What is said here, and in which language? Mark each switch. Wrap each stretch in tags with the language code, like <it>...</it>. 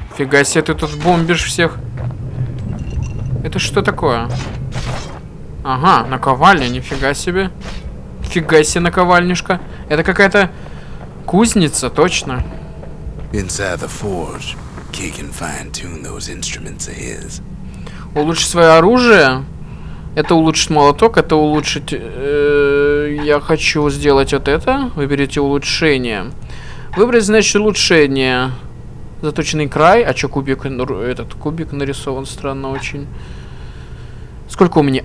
<ru>Фига себе, ты тут бомбишь всех. Это что такое? Ага, наковальня, нифига себе. Фига себе, наковальнишка. Это какая-то кузница, точно.</ru> <en>Inside the forge, Kay can fine-tune those instruments of his.</en> <ru>Улучшить свое оружие. Это улучшить молоток, это улучшить... я хочу сделать вот это. Выберите улучшение. Выбрать, значит, улучшение. Заточенный край. А чё кубик? Этот кубик нарисован странно очень. Сколько у меня?</ru>